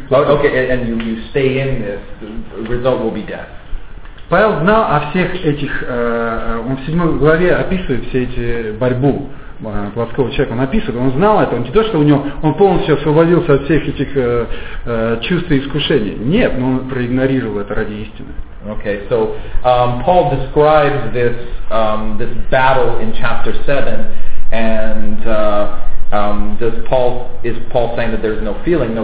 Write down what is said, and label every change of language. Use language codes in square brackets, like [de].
[en] Okay, and you stay in this, the result will be death. [ru] Павел знал о всех этих, он в 7 главе описывает все эти борьбу плотского человека, он описывает, он знал это, он не то, что у него, он полностью освободился от всех этих чувств и искушений. Нет, но он проигнорировал это ради истины. [en] Okay, so Paul describes this this battle in chapter 7, and is Paul saying that there's no feeling?